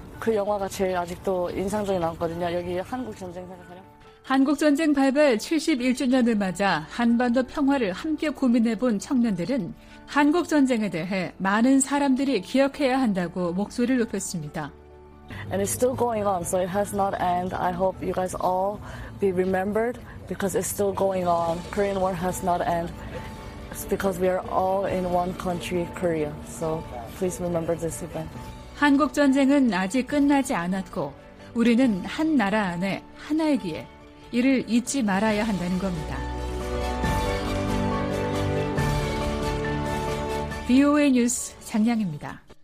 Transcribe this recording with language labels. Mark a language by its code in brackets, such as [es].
[ko] 그 영화가 제일 아직도 인상적이 남거든요. 여기 한국 전쟁 생각하면. 한국 전쟁 발발 71주년을 맞아 한반도 평화를 함께 고민해본 청년들은 한국 전쟁에 대해 많은 사람들이 기억해야 한다고 목소리를 높였습니다. [en] And it's still going on, so it has not end. I hope you guys all be remembered because it's still going on. Korean War has not end. It's because we are all in one country, Korea. So please remember this event. [ko] 한국 전쟁은 아직 끝나지 않았고 우리는 한 나라 안에 하나이기에 이를 잊지 말아야 한다는 겁니다. VOA 뉴스 장량입니다.